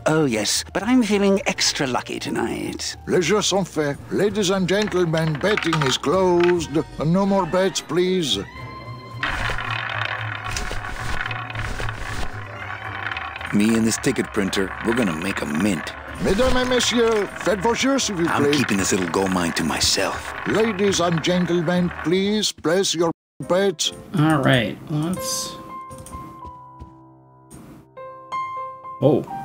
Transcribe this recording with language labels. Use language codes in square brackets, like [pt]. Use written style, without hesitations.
[en] Oh, yes, but I'm feeling extra lucky tonight. [fr] Les jeux sont faits. [en] Ladies and gentlemen, betting is closed. No more bets, please. Me and this ticket printer, we're gonna make a mint. [fr] Mesdames et messieurs, faites vos jeux, s'il vous plaît. [en] I'm keeping this little gold mine to myself. Ladies and gentlemen, please place your bets. All right, let's... Oh.